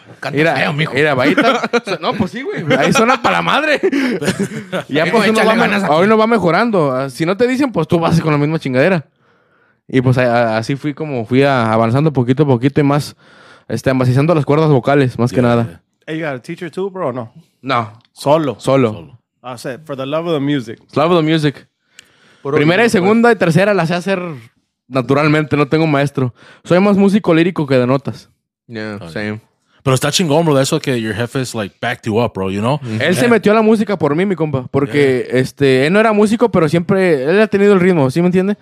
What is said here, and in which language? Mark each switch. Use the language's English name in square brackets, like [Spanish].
[Spanish] Canta feo, mijo. Era bajita. No, pues sí, güey. Ahí suena para la madre. Ya pues uno va mejorando. Si no te dicen, pues tú vas con la misma chingadera. Y pues así fui como fui avanzando poquito a poquito y más, amacizando las cuerdas vocales, más que nada. [English] Yeah. Hey, you got a teacher too, bro, or no? [Spanish] No. Solo. Solo. [English] I said, for the love of the music. Love of the music. [Spanish] Puro primera bien, y segunda bueno. Y tercera las sé hacer naturalmente, no tengo maestro. Soy más músico lírico que de notas. [English] Yeah, oh, same. Yeah. [Spanish] Pero está chingón, [English] bro, [Spanish] eso que [English] your jefe is like backed you up, bro, you know? Mm-hmm. [Spanish] Él se metió a la música por mí, mi compa, porque él no era músico, pero siempre, él ha tenido el ritmo, ¿sí me entiende?